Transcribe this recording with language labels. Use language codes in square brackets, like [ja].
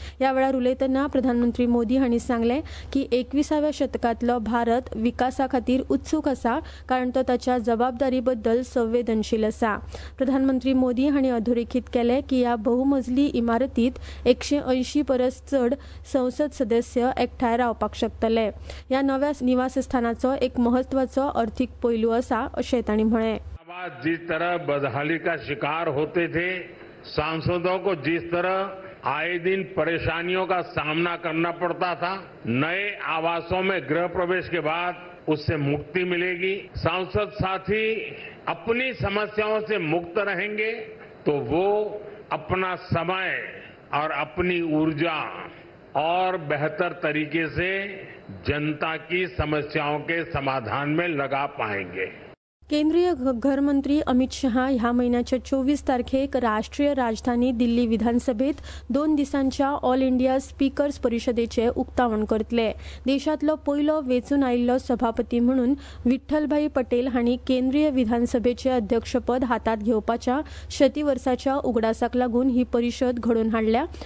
[gom] या वेळार उलयतना प्रधानमंत्री मोदी हांणी सांगले की 21व्या शतकातलो भारत विकासा खातीर उत्सुक आसा कारण तो ताच्या जबाबदारी बद्दल संवेदनशील आसा. प्रधानमंत्री मोदी हांणी अधोरेखित केले की ह्या बहुमजली इमारतीत 180 परस चड संसद सदस्य एकठांय रावपाक शकतले. या नव्या निवासस्थानाचो एक महत्वाचो आर्थिक पैलू असा असे त्यांनी म्हणे. [hi] आवाज जिस तरह बदहाली का शिकार होते थे, सांसदों को जिस तरह आए दिन परेशानियों का सामना करना पड़ता था, नए आवासों में गृह प्रवेश के बाद उससे मुक्ति मिलेगी. सांसद साथी अपनी समस्याओं से मुक्त रहेंगे तो वो अपना समय और अपनी ऊर्जा और बेहतर तरीके से जनता की समस्याओं के समाधान में लगा पाएंगे. [gom] केंद्रीय घरमंत्री अमित शहा ह्या महिन्याच्या 24 तारखेक राष्ट्रीय राजधानी दिल्ली विधानसभेत 2 दिसांच्या ऑल इंडिया स्पीकर्स परिषदेचे उक्तावण करतले. देशातलो पहिलो वेचून आयिल्लो सभापती म्हणून विठ्ठलभाई पटेल हांणी केंद्रीय विधानसभेचे अध्यक्षपद हातात घेवपाच्या शती वर्साच्या उगडासाक लागून ही परिषद घडून हाडल्या.